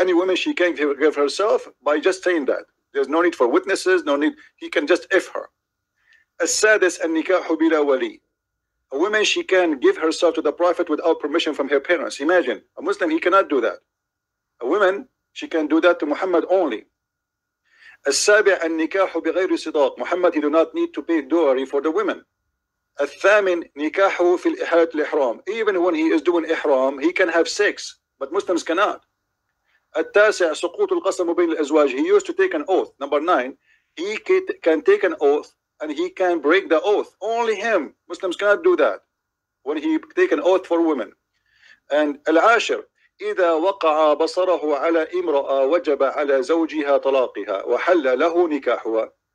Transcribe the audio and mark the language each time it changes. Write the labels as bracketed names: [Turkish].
[English] Any woman, she can give herself by just saying that. There's no need for witnesses, no need. He can just F her. [Arabic] Al-sadis, al-nikahu bi-la-wali. [English] A woman, she can give herself to the Prophet without permission from her parents. Imagine, a Muslim, he cannot do that. A woman, she can do that to Muhammad only. [Arabic] السابع النكاح بغير صداق. [English] Muhammad, he do not need to pay dowry for the women. [Arabic] الثامن نكاح في حالة الإحرام. [English] Even when he is doing إحرام, he can have sex, but Muslims cannot. [Arabic] التاسع سقوط القسم بين الأزواج. [English] He used to take an oath. Number nine, he can take an oath and he can break the oath. Only him. Muslims cannot do that when he take an oath for women. [Arabic] And العاشر إذا وقع بصره على امرأة وجب على زوجها طلاقها وحل له نكاحها.